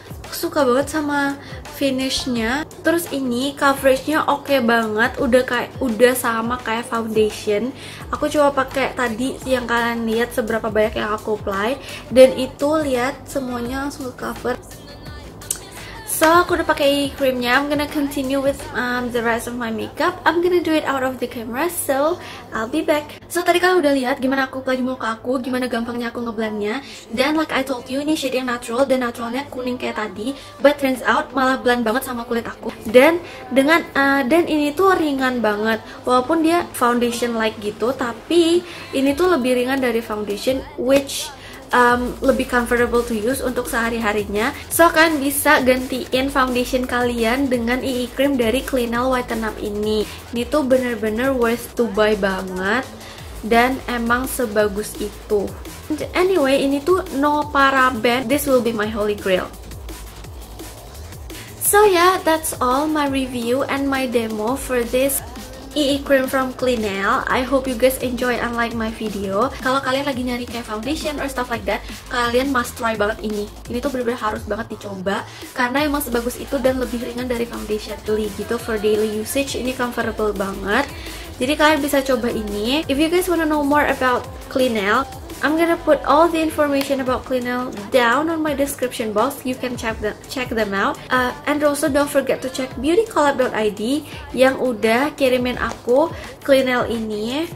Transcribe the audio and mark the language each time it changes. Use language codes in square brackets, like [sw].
[id] Aku suka banget sama finishnya. Terus ini coveragenya oke banget, udah sama kayak foundation. Aku coba pakai tadi yang kalian lihat seberapa banyak yang aku apply, dan itu lihat semuanya langsung cover. So aku udah pakai creamnya. [en] I'm gonna continue with the rest of my makeup. I'm gonna do it out of the camera, so I'll be back. [id] So tadi kalian udah lihat gimana aku apply muka aku, gimana gampangnya aku ngeblendnya. Dan [en] like I told you, [id] ini shade yang natural dan naturalnya kuning kayak tadi, [en] but turns out [id] malah blend banget sama kulit aku. Dan dan ini tuh ringan banget, walaupun dia foundation like gitu, tapi ini tuh lebih ringan dari foundation, which lebih [en] comfortable to use [id] untuk sehari-harinya. So kalian bisa gantiin foundation kalian dengan ee cream dari Clinel Whiten Up ini. Ini tuh bener-bener [en] worth to buy [id] banget, dan emang sebagus itu. [en] Anyway, [id] ini tuh [en] no paraben. This will be my holy grail. So yeah, that's all my review and my demo for this ee cream from Clinel. I hope you guys enjoy and like my video. [id] Kalau kalian lagi nyari kayak foundation [en] or stuff like that, [id] kalian [en] must try [id] banget ini. Ini tuh bener-bener harus banget dicoba, karena emang sebagus itu dan lebih ringan dari foundation beli gitu. [en] For daily usage, [id] ini comfortable banget. Jadi kalian bisa coba ini. [en] If you guys wanna know more about Clinel, I'm gonna put all the information about Clinel down on my description box. You can check them out. And also don't forget to check beautycollab.id [id] yang udah kirimin aku Clinel ini.